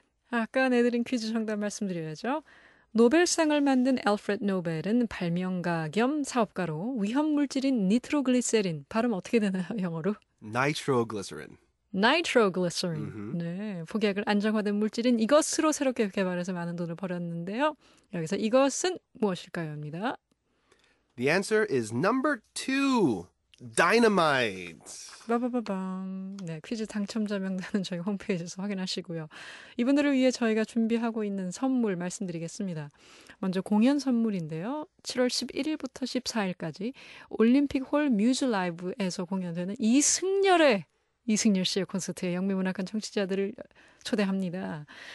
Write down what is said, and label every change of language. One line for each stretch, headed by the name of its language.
Korean: 아까 내드린 퀴즈 정답 말씀드려야죠. 노벨상을 만든 앨프레드 노벨은 발명가 겸 사업가로 위험물질인 니트로글리세린, 발음 어떻게 되나요, 영어로? 나이트로글리세린. 나이트로글리세린. Mm-hmm. 네, 폭약을 안정화된 물질인 이것으로 새롭게 개발해서 많은 돈을 벌였는데요. 여기서 이것은 무엇일까요? 입니다.
English: The answer is number two, dynamite.
Korean: 빠바바밤. 네, 퀴즈 당첨자 명단은 저희 홈페이지에서 확인하시고요. 이분들을 위해 저희가 준비하고 있는 선물 말씀드리겠습니다. 먼저 공연 선물인데요. 7월 11일부터 14일까지 올림픽홀 뮤즈 라이브에서 공연되는 이승열 씨의 콘서트에 영미문학관 청취자들을 초대합니다.